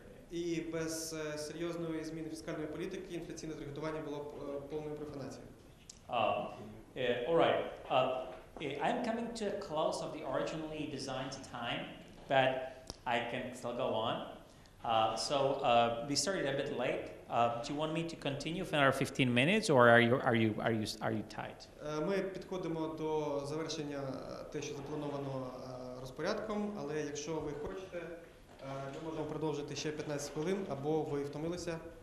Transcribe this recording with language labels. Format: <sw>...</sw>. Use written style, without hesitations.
<uk>І без серйозної зміни фіскальної політики інфляційне таргетування було повною профанацією.</uk> <en>I'm coming to a close of the originally designed time, but I can still go on. We started a bit late. Do you want me to continue for another 15 minutes or are you tight?</en> <uk>Ми підходимо до завершення те, що заплановано розпорядком, але якщо ви хочете, ми можемо продовжити ще 15 хвилин, або ви втомилися.</uk>